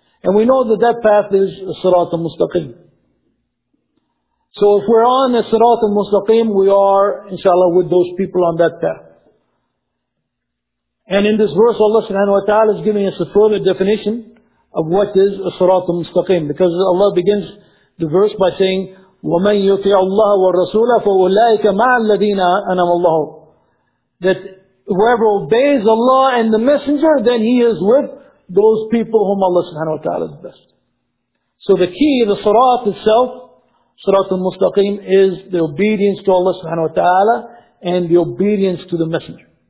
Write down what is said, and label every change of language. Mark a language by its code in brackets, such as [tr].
[en] And we know that path is As-Sirat al-Mustaqim. So if we're on the Sirat al-Mustaqim, we are, inshallah, with those people on that path. And in this verse, Allah subhanahu wa ta'ala is giving us a further definition of what is a Sirat al-Mustaqim. Because Allah begins the verse by saying, [ar] وَمَنْ يُطِعَ اللَّهَ وَالرَّسُولَ فَأُولَٰئِكَ مَعَ الَّذِينَ أَنَمَ اللَّهُ. [en] That whoever obeys Allah and the Messenger, then he is with those people whom Allah subhanahu wa ta'ala is best. So the key, the Sirat itself, Sirat al-Mustaqim, is the obedience to Allah subhanahu wa ta'ala and the obedience to the Messenger.